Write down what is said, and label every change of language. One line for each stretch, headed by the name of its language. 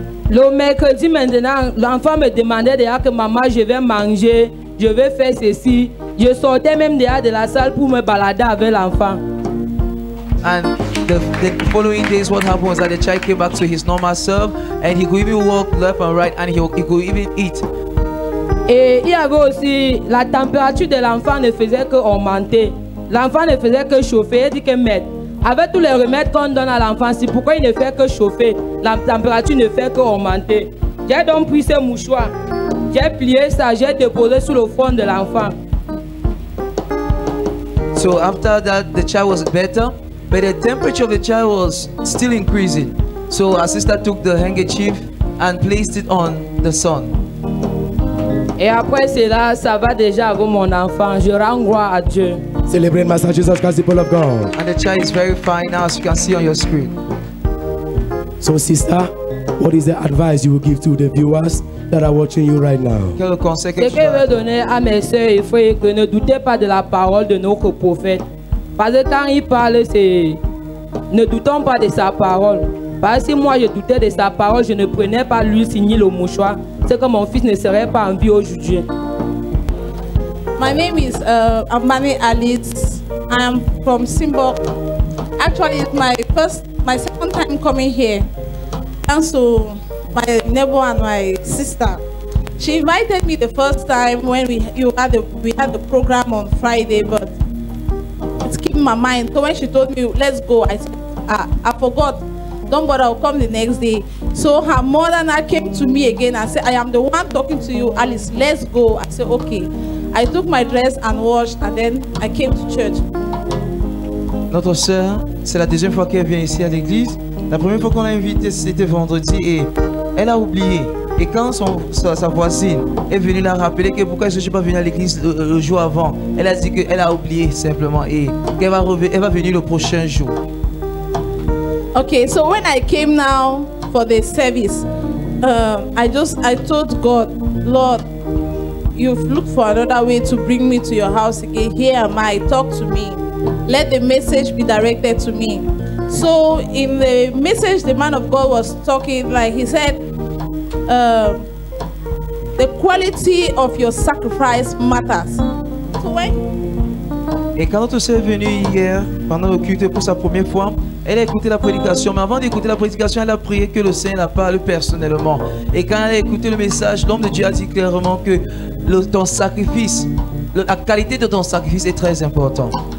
French: Le mercredi maintenant, l'enfant me demandait déjà que maman, je vais manger, je vais faire ceci. Je sortais même déjà de la salle pour me balader avec l'enfant.
English: And the following days, what happened was that the child came back to his normal self and he could even walk left and right and he could even eat.
French: Et il y avait aussi la température de l'enfant ne faisait que augmenter. L'enfant ne faisait que chauffer. Il dit que mettre. Avec tous les remèdes qu'on donne à l'enfant, c'est pourquoi il ne fait que chauffer. La température ne fait que augmenter. J'ai donc pris ce mouchoir. J'ai plié ça. J'ai déposé sur le front de l'enfant.
English: So after that, the child was better, but the temperature of the child was still increasing. So our sister took the handkerchief and placed it on the son.
French: Et après cela, ça va déjà avec mon enfant. Je rends gloire à Dieu.
English: Celebrate Master Jesus Christ, the people of God. And the child is very fine now, as you can see on your screen. So sister, what is the advice you will give to the viewers that are watching you right now?
French: Quel conseil que je vais donner? Donner à mes soeurs et frères, que ne doutez pas de la parole de notre prophète. Parce que quand il parle, c'est ne doutons pas de sa parole. Parce que si moi je doutais de sa parole, je ne prenais pas l'huile ni le mouchoir. C'est que mon fils ne serait pas en vie aujourd'hui.
English: My name is Amani Alit. I am from Simbok. Actually, it's my second time coming here. Thanks to my neighbor and my sister. She invited me the first time when we had the program on Friday, but it's keeping my mind. So when she told me, let's go, I said, I forgot. Don't bother, I'll come the next day. So her mother now came to me again and said, I am the one talking to you, Alice, let's go. I said, okay. I took my dress and washed, and then I came to church.
French: Notre sœur, c'est la deuxième fois qu'elle vient ici à l'église. La première fois qu'on l'a invitée, c'était vendredi, et elle a oublié. Et quand sa voisine est venue la rappeler que pourquoi je ne suis pas venue à l'église le jour avant, elle a dit qu'elle a oublié simplement et qu'elle va revenir, elle va venir le prochain jour.
English: Okay, so when I came now for the service, I told God, Lord, you've looked for another way to bring me to your house again. Here am I, talk to me. Let the message be directed to me. So in the message, the man of God was talking, like he said, the quality of your sacrifice matters. So when?
French: Et quand notre sœur est venue hier pendant le culte pour sa première fois, elle a écouté la prédication, mais avant d'écouter la prédication, elle a prié que le Seigneur la parle personnellement. Et quand elle a écouté le message, l'homme de Dieu a dit clairement que ton sacrifice, la qualité de ton sacrifice est très importante.